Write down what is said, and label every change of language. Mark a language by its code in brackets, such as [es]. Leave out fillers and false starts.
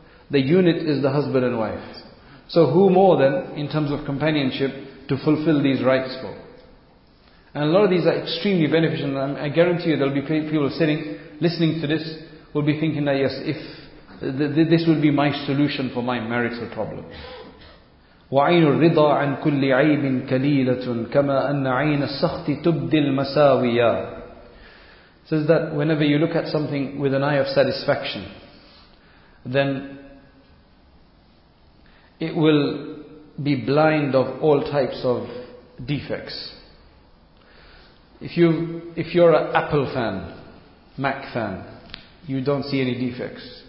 [en] The unit is the husband and wife. So who more than, in terms of companionship, to fulfill these rights for? And a lot of these are extremely beneficial. And I guarantee you there will be people sitting, listening to this, will be thinking that yes, if this will be my solution for my marital problem. [ar] وَعَيْنُ الرِّضَى عَنْ كُلِّ عَيْبٍ كَلِيلَةٌ كَمَا أَنَّ عَيْنَ السَّخْطِ تُبْدِي الْمَسَاوِيَا. [en] Says that whenever you look at something with an eye of satisfaction, then it will be blind of all types of defects. If you're an Apple fan, Mac fan, you don't see any defects.